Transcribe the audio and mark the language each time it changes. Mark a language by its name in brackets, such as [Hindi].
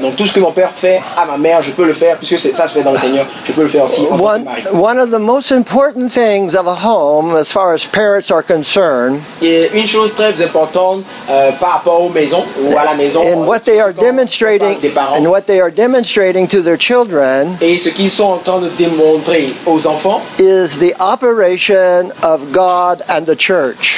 [French] Donc tout ce que mon père fait à ma mère, je peux le faire puisque ça se fait dans le Seigneur. Je peux le faire aussi en tant que mari. [English] One of the most important things of a home, as far as parents are concerned, [French] et une chose très importante par rapport aux maisons ou à la maison. [English] And what they are demonstrating and what they are demonstrating to their children [French] et ce qu'ils sont en train de démontrer aux enfants [English] is the operation of God and the church.